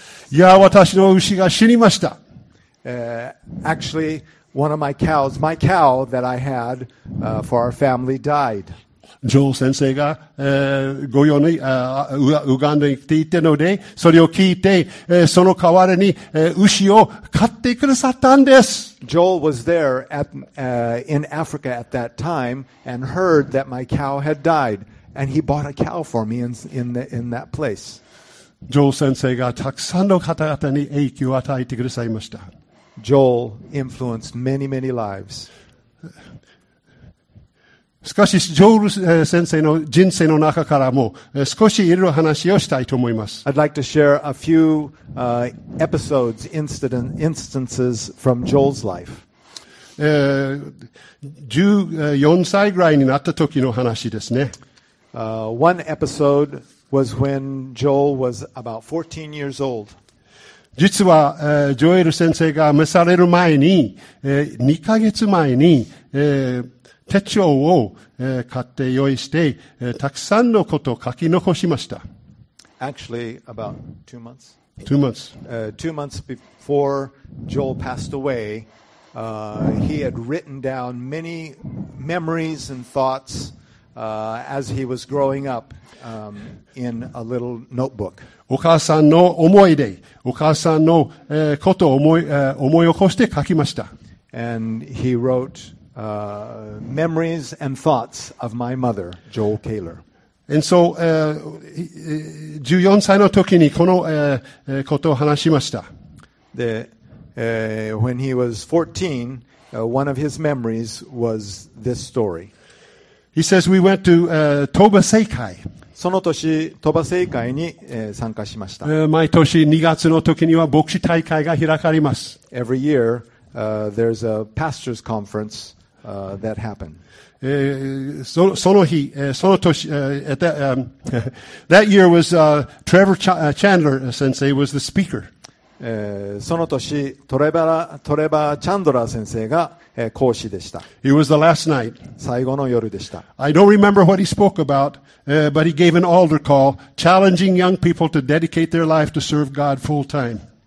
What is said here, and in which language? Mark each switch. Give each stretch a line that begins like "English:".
Japanese: いや、私の牛が死にました。
English: Actually, one of my cows, my cow that I had, for our family died.
Japanese: ジョー先生が、ご用に、ウガンダに来ていたので、それを聞いて、その代わりに、牛を飼ってくださったんです。
English: Joel was there at, in Africa at that time and heard that my cow had died. And he bought a cow for me in that place.
Japanese: Joel 先生がたくさんの方々に影響を与えてくださいました。
English: Joel influenced many, many lives.
Japanese: しかし、Joel 先生の人生の中からも少しいろいろ話をしたいと思います。
English: I'd like to share a few, episodes, instances from Joel's life.
Japanese: 14歳ぐらいになった時の話ですね。
English: One episode,was when Joel was about 14 years old.
Japanese: 実は、ジョエル先生が召される前に、2ヶ月前に、手帳を、買って用意して、たくさんのことを書き残しました。
English: Actually, about 2 months. 2 months. 2 months before Joel passed away, he had written down many memories and thoughts. As he was growing up, in a little notebook.
Japanese: お母さんの思い出、お母さんの、ことを思い、思い起こして書きました。
English: And he wrote, memories and thoughts of my mother, Joel Kaler. And so,
Japanese: 14歳の時にこの、ことを話しました。
English: で、when he was 14, one of his memories was this story. He says we went to, Toba Seikai.
Japanese: その年、トバ聖会に、参加しました。毎年2月の時には牧師大会が開かれます。
English: Every year, there's a pastor's conference, that happened.
Japanese: その日、その年、
English: that year was, Trevor Chandler, sensei, was the speaker.
Japanese: その年、トレバー・チャンドラー先生が講師でした。
English: It was the last night.
Japanese: 最後の夜でした。
English: I don't remember what he spoke about, but he gave an altar call, challenging young people to dedicate their life to serve God full time.